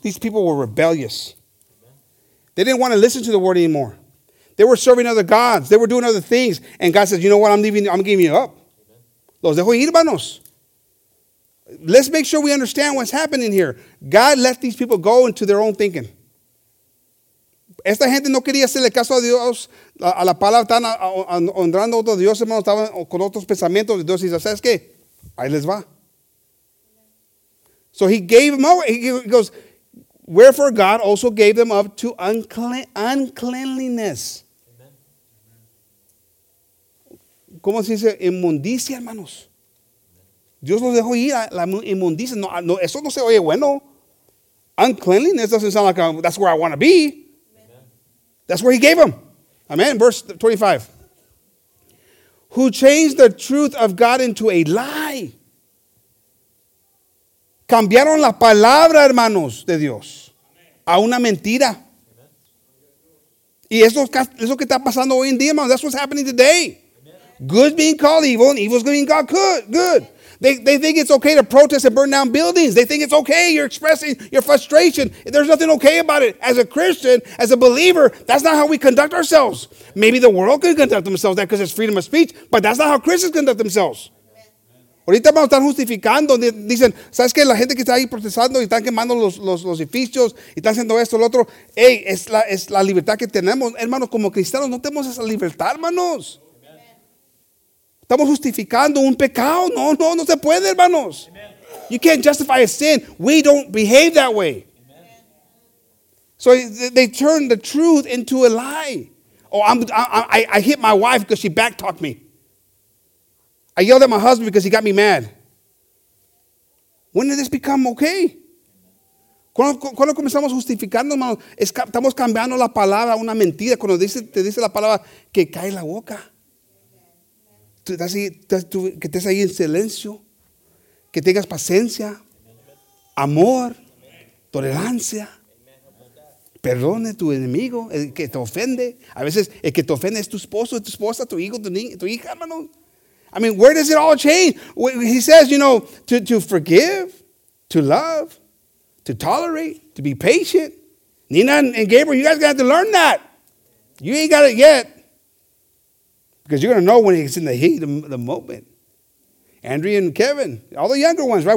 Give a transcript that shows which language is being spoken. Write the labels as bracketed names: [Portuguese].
[English] These people were rebellious. Amen. They didn't want to listen to the word anymore. They were serving other gods. They were doing other things. And God says, you know what? I'm giving you up. Amen. [Spanish] Los dejo ir, hermanos. [English] Let's make sure we understand what's happening here. God let these people go into their own thinking. [Spanish] Esta gente no quería hacerle caso a Dios, a la palabra, están honrando a otros dioses, hermanos, estaban con otros pensamientos. Y Dios dice, ¿sabes qué? Ahí les va. [English] So he gave them up. He goes, wherefore God also gave them up to uncleanliness. [Spanish] ¿Cómo se dice? Inmundicia, hermanos. Dios los dejó ir a la inmundicia. No, no, eso no se oye bueno. [English] Uncleanliness doesn't sound like that's where I want to be. That's where he gave them. Amen. Verse 25. Who changed the truth of God into a lie. [Spanish] Cambiaron la palabra, hermanos, de Dios. A una mentira. Y eso que está pasando hoy en día, hermanos. [English] That's what's happening today. Good being called evil and evil's being called good. They think it's okay to protest and burn down buildings. They think it's okay. You're expressing your frustration. There's nothing okay about it. As a Christian, as a believer, that's not how we conduct ourselves. Maybe the world could conduct themselves that because it's freedom of speech, but that's not how Christians conduct themselves. [Spanish] Ahorita vamos a estar justificando. Dicen, ¿sabes qué? La gente que está ahí protestando y están quemando los edificios y están haciendo esto, lo otro. Hey, es la libertad que tenemos. Hermanos, como cristianos, no tenemos esa libertad, hermanos. Estamos justificando un pecado. No, no, no se puede, hermanos. Amen. [English] You can't justify a sin. We don't behave that way. Amen. So they turn the truth into a lie. Oh, I hit my wife because she backtalked me. I yelled at my husband because he got me mad. When did this become okay? [Spanish] ¿Cuándo comenzamos justificando, hermanos? Estamos cambiando la palabra a una mentira. Cuando te dice la palabra, que cae la boca. Que estés ahí en silencio, que tengas paciencia, amor, tolerancia, perdone a tu enemigo, el que te ofende. A veces el que te ofende es tu esposo, tu esposa, tu hijo, tu hija, hermano. [English] I mean, where does it all change? He says, you know, to forgive, to love, to tolerate, to be patient. Nina and Gabriel, you guys got to learn that. You ain't got it yet. Because you're going to know when it's in the heat of the moment. Andrea and Kevin, all the younger ones, right?